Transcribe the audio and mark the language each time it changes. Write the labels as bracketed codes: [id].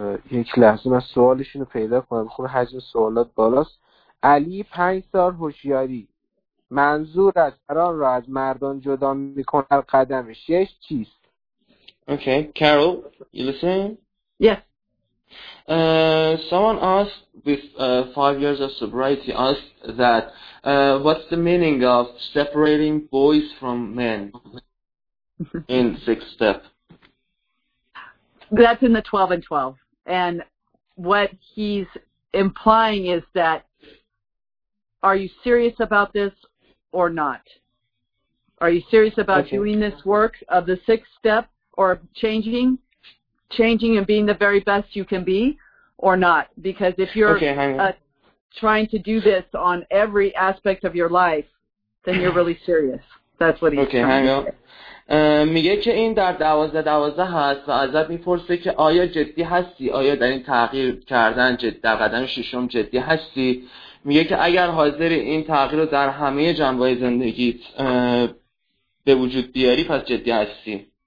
[fa] یک لحظه من سوالشون رو پیدا کنم، خب حجم سوالات بالاست. علی 5 سال هوشیاری، منظور از اران را از مردان جدا میکنه قدم 6 چیست؟ [en] Okay, Carol, you listening? Yes. Someone asked with 5 years of sobriety, asked that what's the meaning of separating boys from men in 6th step? That's in the 12 and 12. And what he's implying is that, are you serious about this or not? Are you serious about okay. doing this work of the 6th step? Or changing and being the very best you can be, or not? Because if you're trying to do this on every aspect of your life, then you're really serious. That's what he's okay, trying to say. [fa] میگه که این در 12-12 هست و ازت میپرسه که آیا جدی هستی؟ آیا در این تغییر کردن در قدم ششم جدی هستی؟ میگه که اگر حاضر این تغییر رو در همه جنبه‌های زندگیت به وجود بیاری، پس جدی هستی.